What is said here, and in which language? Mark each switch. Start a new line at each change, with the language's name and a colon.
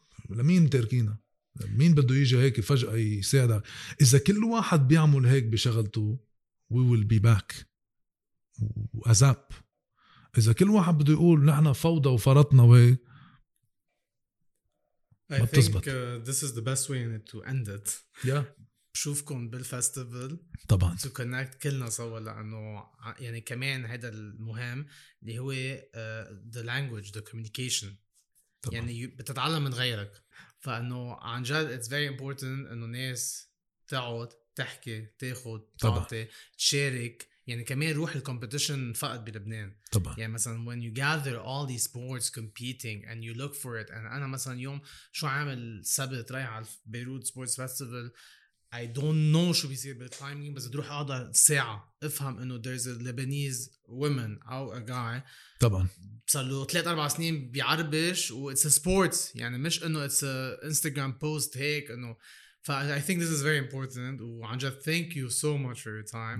Arabic: لمين تركينا مين بده يجي هيك فجأة يساعدك إذا كل واحد بيعمل هيك بشغلته
English: we will be back
Arabic: وأزاب إذا كل واحد بده يقول نحن فوضى وفرطنا وهيك ما بتزبط
English: I think this is the best way to end it yeah.
Arabic: شوفكم بالفستيفل طبعا to connect كلنا سوا لأنه يعني كمان هذا المهم اللي هو
English: the language the communication
Arabic: طبعا. يعني بتتعلم من غيرك فأنه عن جد
English: it's very important
Arabic: أنه ناس تقعد تحكي تاخد تعطي تشارك يعني كمان روح الكمبيتيشن فقط بلبنان طبعا.
English: يعني مثلا when you gather all these sports competing and you look for it and
Arabic: أنا مثلا يوم شو عامل سبت رايح على بيروت سبورتس فستيفل
English: I don't know
Arabic: شو بيصير بالكلايمينج, بس تروح اقعد ساعة افهم انه
English: there's a Lebanese woman
Arabic: او a guy طبعا صار له 3 4 سنين بيعربش, و
English: it's a sport
Arabic: يعني مش انه
English: it's a Instagram post
Arabic: هيك انه.
English: ف I think this is very important,
Arabic: وعن جد
English: thank you so much for your time.